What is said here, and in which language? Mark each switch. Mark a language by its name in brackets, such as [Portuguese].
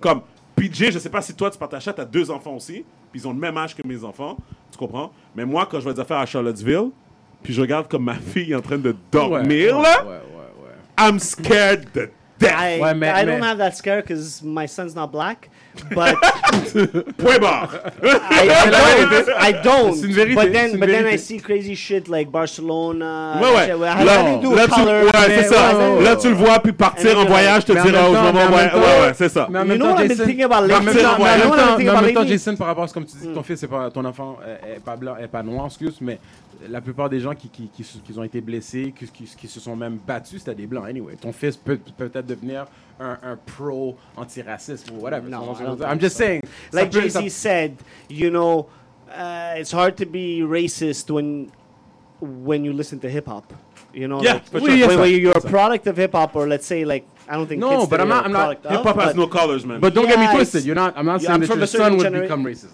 [French] Comme PJ, je sais pas si toi tu partages ça, t'as 2 enfants aussi, puis ils ont le même âge que mes enfants, tu comprends? Mais moi, quand je vais des affaires à Charlottesville, puis je regarde comme ma fille est en train de dormir, [English] I'm scared to death. I don't have that scare because my son's not black, but. [French] Point barre! [English] I don't. [French] C'est une vérité. [English] But then I see crazy shit like Barcelona. [French] Là, tu le vois, puis partir en voyage, te dire, oh, vraiment, ouais, c'est ça. Mais en même temps, Jason, par rapport à ce que tu dis, ton fils, ton enfant est pas blanc, est pas noir, excuse, mais la plupart des gens qui ont été blessés, qui se sont même battus, c'était des blancs, anyway. Ton fils peut-être devenir un pro anti-racisme ou whatever. Non, [English] I'm just saying. Like Jay-Z said, you know, it's hard to be racist when you listen to hip-hop. You know, you're a product of hip-hop, or let's say, like, I don't think I'm not. Hip-hop has no colors, man. But don't get me twisted. I'm not saying your son would become racist.